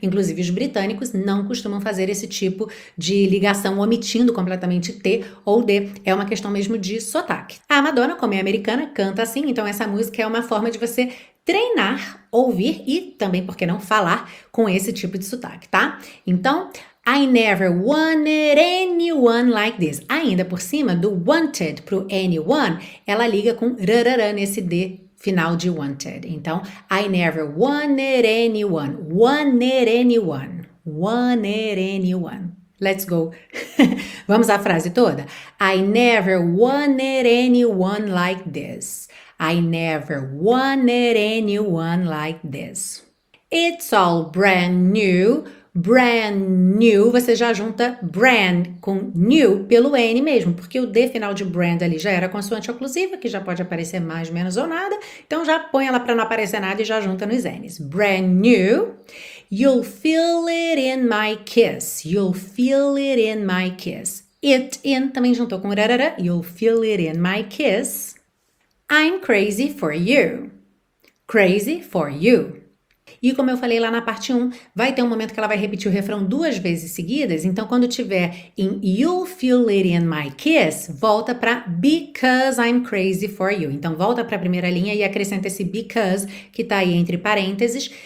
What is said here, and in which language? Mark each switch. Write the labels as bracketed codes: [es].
[pt] Inclusive, os britânicos não costumam fazer esse tipo de ligação, omitindo completamente T ou D. É uma questão mesmo de sotaque. A Madonna, como é americana, canta assim, então essa música é uma forma de você treinar, ouvir e também, por que não, falar com esse tipo de sotaque, tá? Então, [en] I never wanted anyone like this. [pt] Ainda por cima do wanted pro anyone, ela liga com rarara nesse D final de wanted. Então, [en] I never wanted anyone. Wanted anyone. Wanted anyone. Let's go. [pt] Vamos à frase toda. [en] I never wanted anyone like this. I never wanted anyone like this. It's all brand new. Brand new, [pt] você já junta brand com new pelo N mesmo, porque o D final de brand ali já era consoante oclusiva, que já pode aparecer mais, menos ou nada. Então já põe ela para não aparecer nada e já junta nos N's. [en] Brand new, you'll feel it in my kiss, you'll feel it in my kiss. It in, [pt] também juntou com rarara, [en] you'll feel it in my kiss. I'm crazy for you, crazy for you. [pt] E como eu falei lá na parte 1, vai ter um momento que ela vai repetir o refrão duas vezes seguidas. Então, quando tiver em [en] you'll feel it in my kiss, [pt] volta para [en] because I'm crazy for you. [pt] Então, volta para a primeira linha e acrescenta esse because que está aí entre parênteses.